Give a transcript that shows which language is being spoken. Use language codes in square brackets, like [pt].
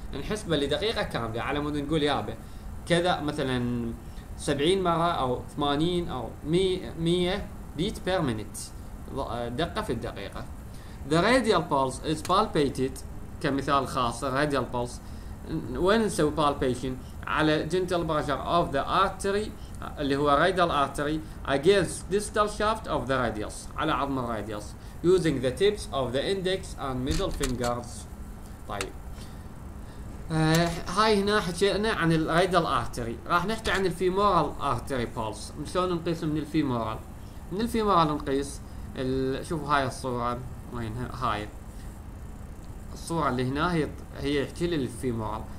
[ar] نحسبه لدقيقة كاملة على مود نقول يابا كذا مثلا 70 مرة أو 80 أو 100 بيت بير مينيت، دقة في الدقيقة. [en] The radial pulse is palpated، [ar] كمثال خاص [en] radial pulse [ar] وين نسوي [en] palpation؟ على gentle pressure of the artery [ar] اللي هو [en] radial artery against distal shaft of the radius، [ar] على عظم الراديوس، [en] using the tips of the index and middle fingers. [ar] طيب هاي هنا حكينا عن الريدال ارتري، راح نحكي عن الفيمورال ارتري بولس. شلون نقيس من الفيمورال؟ من الفيمورال نقيس، شوفوا هاي الصورة وين، هاي الصورة اللي هنا هي يحكي لي الفيمورال.